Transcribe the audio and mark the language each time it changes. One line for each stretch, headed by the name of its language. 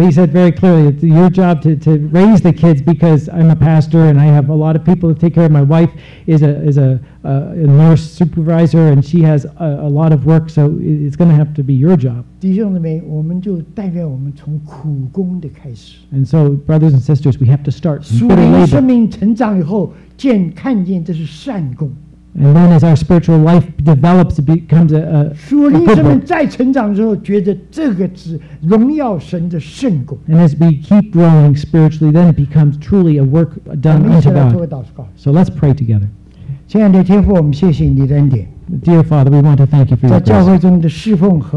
English: he said very clearly, it's your job to raise the kids because I'm a pastor and I have a lot of people to take care of. My wife is a nurse supervisor and she has a lot of work, so it's going to have to be your job.
Chinese: 弟兄姊妹，我们就代表我们从苦工的开始。And
English: so, brothers and sisters, we have to start
Chinese: suffering.属灵生命成长以后，见看见这是善功。And
English: then, as our spiritual life develops, it becomes a
Chinese: 属灵生命再成长之后，觉得这个是荣耀神的圣功。And
English: as we keep growing spiritually, then it becomes truly a work done unto God. So let's pray together.
Chinese: 亲爱的天父，我们谢谢你的恩典。Dear
English: Father, we want to thank you for your